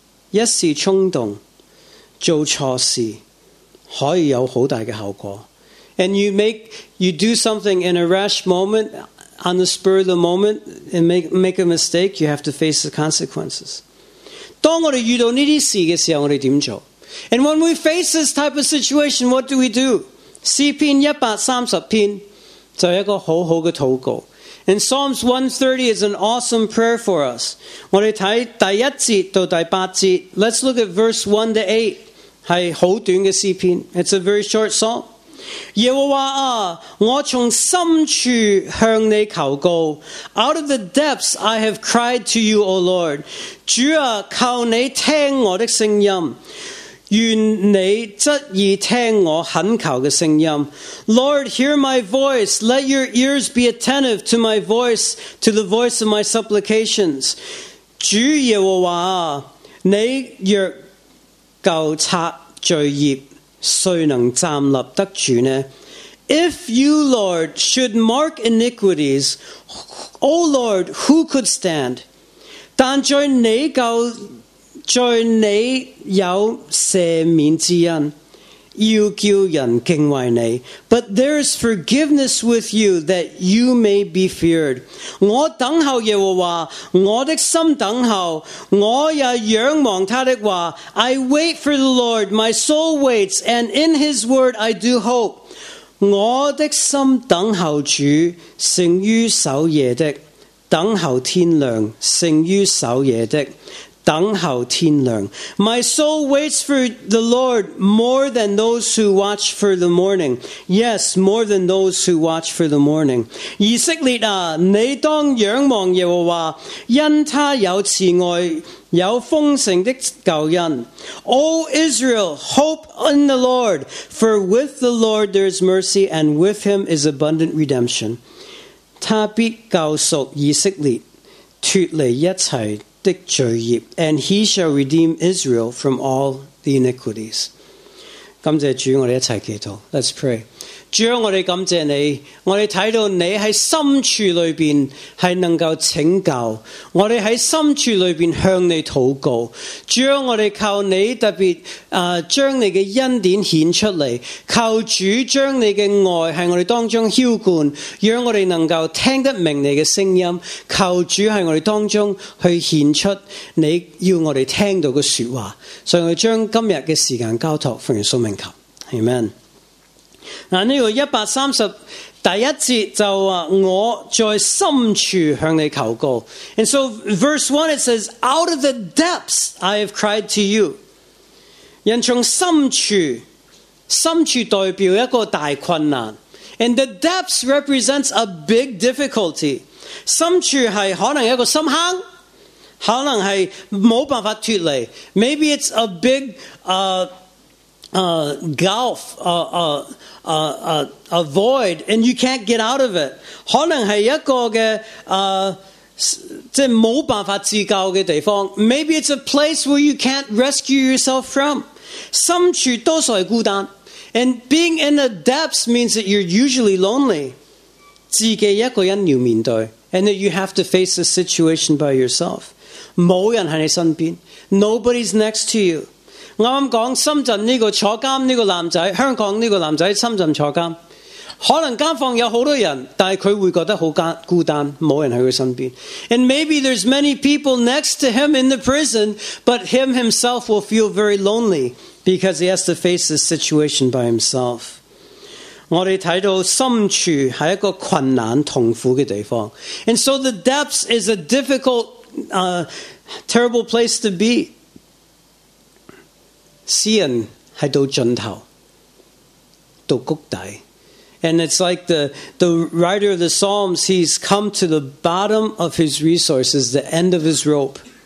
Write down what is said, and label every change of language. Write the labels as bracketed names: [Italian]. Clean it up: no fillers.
[Chinese] 一时冲动做错事可以有好大的后果。 [English] And you do something in a rash moment, on the spur of the moment, and make a mistake, you have to face the consequences. [Chinese] 当我们遇到这些事的时候，我们怎么做？ [English] And when we face this type of situation, what do we do? [Chinese] 诗篇一百三十篇就一个好好的祷告。 [English] And Psalms 130 is an awesome prayer for us. [Chinese] 我们看第一节到第八节。 [English] Let's look at verse 1-8. [Chinese] 是好短的诗篇。 [English] It's a very short psalm. [Chinese] 耶和华啊，我从深处向你求告。 [English] Out of the depths I have cried to you, O Lord. [Chinese] 主啊，求你听我的声音。愿你执意听我恳求的声音。 [English] Lord, hear my voice. Let your ears be attentive to my voice, to the voice of my supplications. [Chinese] 主耶和华，你若救察罪孽，谁能站立得住呢？ [English] If you, Lord, should mark iniquities, O Lord, who could stand? [Chinese] 但在你救在你有赦免之恩，要叫人敬畏你。 [English] But there is forgiveness with you that you may be feared. [Chinese] 我等候耶和华，我的心等候，我也仰望他的话。 [English] I wait for the Lord, my soul waits, and in his word I do hope. [Chinese] 我的心等候主，胜于守夜的，等候天亮，胜于守夜的。等候天亮。 [English] My soul waits for the Lord more than those who watch for the morning. Yes, more than those who watch for the morning. [Chinese] 以色列啊，你当仰望耶和华，因他有慈爱，有丰盛的救恩。 [English] O Israel, hope in the Lord, for with the Lord there is mercy, and with him is abundant redemption. [Chinese] 他必救赎以色列，脱离一切。 [English] And he shall redeem Israel from all the iniquities. [Chinese] 感谢主，我们一起祈祷。 [English] Let's pray. [Chinese] 主，我们感谢你，我们看到你在深处里面是能够拯救，我们在深处里面向你祷告。主，我们靠你特别将你的恩典显出来，靠主将你的爱在我们当中浇灌，让我们能够听得明你的声音，靠主在我们当中去显出你要我们听到的说话。所以我们将今天的时间交托奉耶稣名求， Amen。这个130第一节就说我在深处向你求告。 [English] And so verse 1 it says, Out of the depths I have cried to you. [Chinese] 人从深处，深处代表一个大困难。 [English] And the depths represents a big difficulty. [Chinese] 深处是可能一个深坑，可能是没办法脱离。 [English] Maybe it's a big gulf, a void, and you can't get out of it. [Chinese] 可能是一个的即是没办法自救的地方。 [English] Maybe it's a place where you can't rescue yourself from. [Chinese] 深处多数是孤单。 [English] And being in the depths means that you're usually lonely. [Chinese] 自己一个人要面对。 [English] And that you have to face the situation by yourself. [Chinese] 没人在你身边。 [English] Nobody's next to you. [Chinese] 我刚讲深圳这个坐监这个男仔，香港这个男仔深圳坐监，可能监房有好多人，但是他会觉得很孤单，没人在他身边。 [English] And maybe there's many people next to him in the prison, but him himself will feel very lonely because he has to face this situation by himself. [Chinese] 我们看到深处是一个困难痛苦的地方。 [English] And so the depths is a difficult, terrible place to be. [Chinese] 诗人是到尽头，到谷底。 [English] And it's like the writer of the Psalms, he's come to the bottom of his resources, the end of his rope.